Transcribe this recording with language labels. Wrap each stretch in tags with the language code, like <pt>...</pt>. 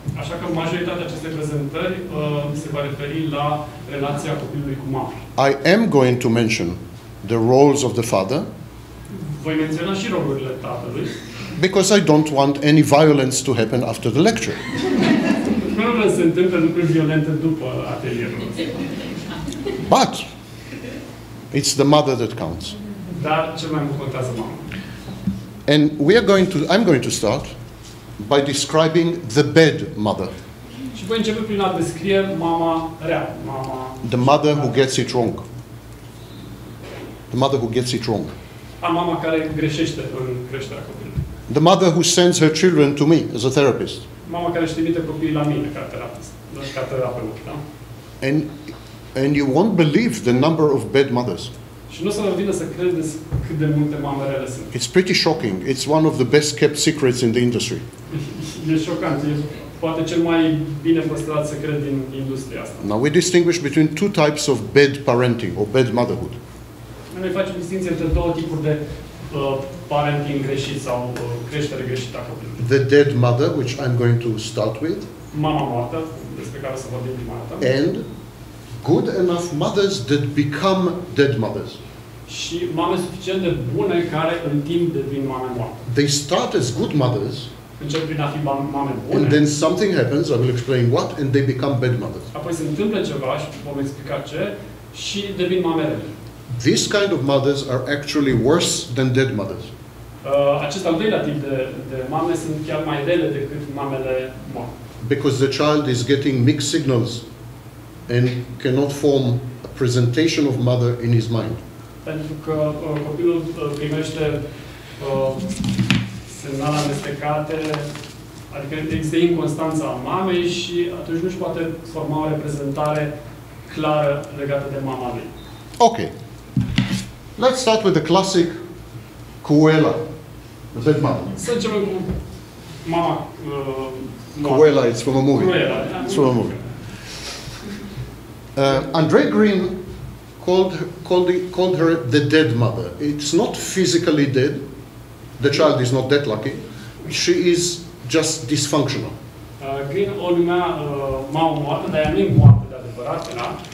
<ro>Așa că majoritatea acestei prezentări se va referi la relația copilului cu mama.</ro> <en>I am going to mention the roles of the father.</en> <ro>Voi menționa și rolurile tatălui.</ro> <en>Because I don't want any violence to happen after the lecture.</en> <ro>Nu vreau să se întâmple lucruri violente după atelierul.</ro> <en>But it's the mother that counts.</en> <ro>Dar cel mai mult contează mama.</ro> <en>And I'm going to start by describing the bed mother.</en> <ro>Și voi începe prin a descrie mama rea, mama.</ro> <en>The mother who gets it wrong. The mother who gets it wrong.</en> <ro>A mama care greșește în creșterea copilului.</ro> <en>The mother who sends her children to me as a therapist.</en> <ro>Mama care își trimite copiii la mine ca terapeut, ca terapeut, da?</ro> <en>And you won't believe the number of bad mothers.</en> <ro>Și nu o să vă vină să credeți cât de multe mame rele sunt.</ro> <en>It's pretty shocking. It's one of the best kept secrets in the industry.</en> <ro>E șocant. E poate cel mai bine păstrat secret din industria asta.</ro> <en>Now we distinguish between two types of bad parenting or bad motherhood.</en> <ro>Noi facem distinție între două tipuri de parenting greșit sau creștere greșită a copilului.</ro> <en>The dead mother, which I'm going to start with.</en> <ro>Mama moartă, despre care o să vorbim prima dată.</ro> <en>And good enough mothers that become dead mothers.</en> <ro>Și mame suficient de bune care în timp devin mame moarte.</ro> <en>They start as good mothers.</en> <ro>Încep prin a fi mame bune.</ro> <en>And then something happens, I will explain what, and they become bad mothers.</en> <ro>Apoi se întâmplă ceva și vom explica ce și devin mame rele.</ro> <en>These kind of mothers are actually worse than dead mothers.</en> <ro>Acest al doilea tip de mame sunt chiar mai rele decât mamele moarte.</ro> <en>Because the child is getting mixed signals and cannot form a presentation of mother in his mind.</en> <ro>Pentru că copilul primește semnale amestecate, adică există inconstanța mamei și atunci nu-și poate forma o reprezentare clară legată de mama lui.</ro> <en>Okay. Let's start with the classic Cuela. Is that mama?</en> <ro>Să începem cu mama.</ro> <en>Cuela, it's from a movie. Cuela, it's from a movie. Andre Green called her the dead mother. It's not physically dead. The child is not that lucky. She is just dysfunctional.</en> <ro>Green o lumea mama moartă, dar ea nu e moartă de adevărat, era.</ro>